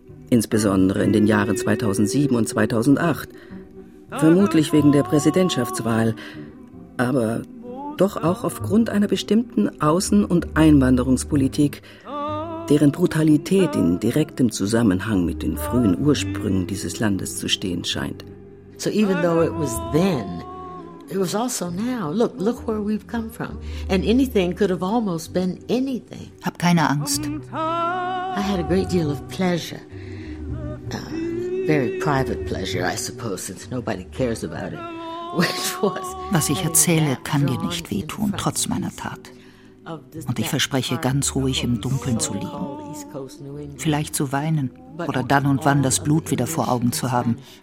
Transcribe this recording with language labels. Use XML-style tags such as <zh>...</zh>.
<de>Insbesondere in den Jahren 2007 und 2008. Vermutlich wegen der Präsidentschaftswahl, aber doch auch aufgrund einer bestimmten Außen- und Einwanderungspolitik, deren Brutalität in direktem Zusammenhang mit den frühen Ursprüngen dieses Landes zu stehen scheint.</de> <en>So even though it was then, it was also now. Look where we've come from. And anything could have almost been anything.</en> <de>Hab keine Angst.</de> <en>I had a great deal of pleasure. Very private pleasure, I suppose, since nobody cares about it.</en> <de>Was ich erzähle, kann dir nicht wehtun, trotz meiner Tat. Und ich verspreche, ganz ruhig im Dunkeln zu liegen. Vielleicht zu weinen oder dann und wann das Blut wieder vor Augen zu haben.</de>